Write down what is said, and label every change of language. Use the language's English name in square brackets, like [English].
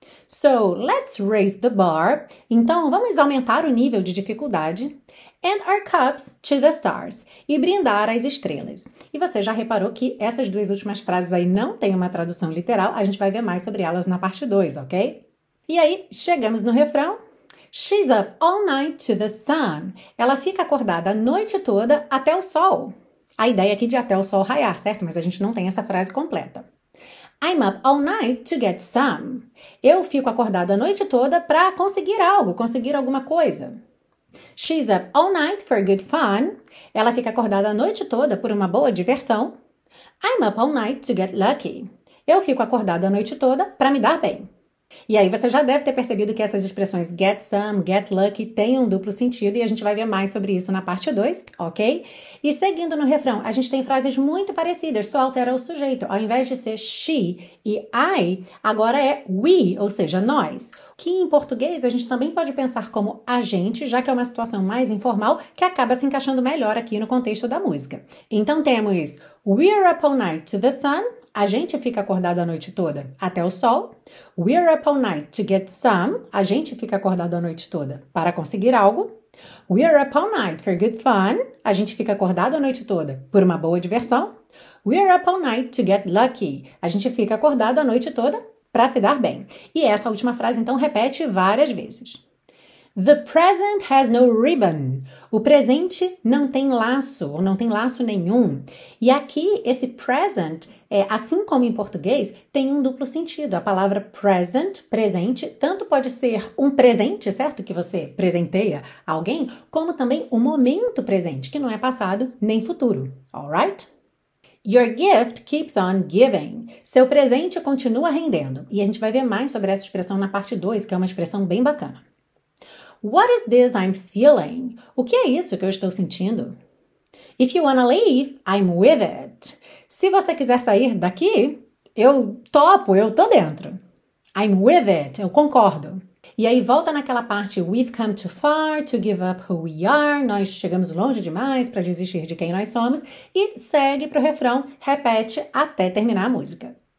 [English] So, let's raise the bar, [Portuguese] então vamos aumentar o nível de dificuldade, [English] and our cups to the stars, [Portuguese] e brindar às estrelas. E você já reparou que essas duas últimas frases aí não têm uma tradução literal, a gente vai ver mais sobre elas na parte 2, ok? E aí, chegamos no refrão. [English] She's up all night to the sun. [Portuguese] Ela fica acordada a noite toda até o sol. A ideia aqui de até o sol raiar, certo? Mas a gente não tem essa frase completa. [English] I'm up all night to get some. [Portuguese] Eu fico acordado a noite toda para conseguir algo, conseguir alguma coisa. [English] She's up all night for good fun. [Portuguese] Ela fica acordada a noite toda por uma boa diversão. [English] I'm up all night to get lucky. [Portuguese] Eu fico acordado a noite toda para me dar bem. E aí você já deve ter percebido que essas expressões get some, get lucky, têm um duplo sentido, e a gente vai ver mais sobre isso na parte 2, ok? E seguindo no refrão, a gente tem frases muito parecidas, só altera o sujeito. Ao invés de ser she e I, agora é we, ou seja, nós. Que em português a gente também pode pensar como a gente, já que é uma situação mais informal, que acaba se encaixando melhor aqui no contexto da música. Então temos [English] we're up all night to the sun. [Portuguese] A gente fica acordado a noite toda até o sol. [English] We're up all night to get some. [Portuguese] A gente fica acordado a noite toda para conseguir algo. [English] We're up all night for good fun. [Portuguese] A gente fica acordado a noite toda por uma boa diversão. [English] We're up all night to get lucky. [Portuguese] A gente fica acordado a noite toda para se dar bem. E essa última frase, então, repete várias vezes. [English] The present has no ribbon. [Portuguese] O presente não tem laço, ou não tem laço nenhum. E aqui, esse present, assim como em português, tem um duplo sentido. A palavra present, presente, tanto pode ser um presente, certo? Que você presenteia alguém, como também um momento presente, que não é passado nem futuro. [English] Alright? Your gift keeps on giving. [Portuguese] Seu presente continua rendendo. E a gente vai ver mais sobre essa expressão na parte 2, que é uma expressão bem bacana. [English] What is this I'm feeling? [Portuguese] O que é isso que eu estou sentindo? [English] If you wanna leave, I'm with it. [Portuguese] Se você quiser sair daqui, eu topo, eu tô dentro. [English] I'm with it, [Portuguese] eu concordo. E aí volta naquela parte, [English] we've come too far to give up who we are, [Portuguese] nós chegamos longe demais para desistir de quem nós somos, e segue pro refrão, repete até terminar a música.